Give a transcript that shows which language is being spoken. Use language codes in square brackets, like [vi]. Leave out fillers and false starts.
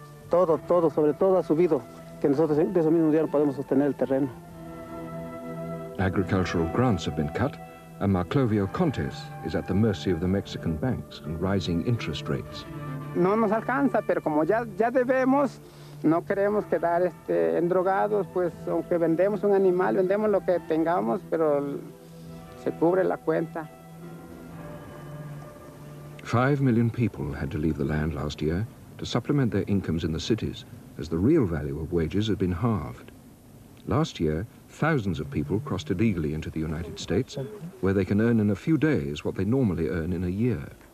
[es] Todo, todo, sobre todo ha subido, que nosotros de ese mismo día no podemos sostener el terreno. [en] Agricultural grants have been cut, and Marclovio Contes is at the mercy of the Mexican banks and rising interest rates. [es] No nos alcanza, pero como ya debemos, no queremos quedar endrogados, pues aunque vendemos un animal, vendemos lo que tengamos, pero se cubre la cuenta. [en] 5 million people had to leave the land last year to supplement their incomes in the cities, as the real value of wages had been halved. Last year, thousands of people crossed illegally into the United States, where they can earn in a few days what they normally earn in a year.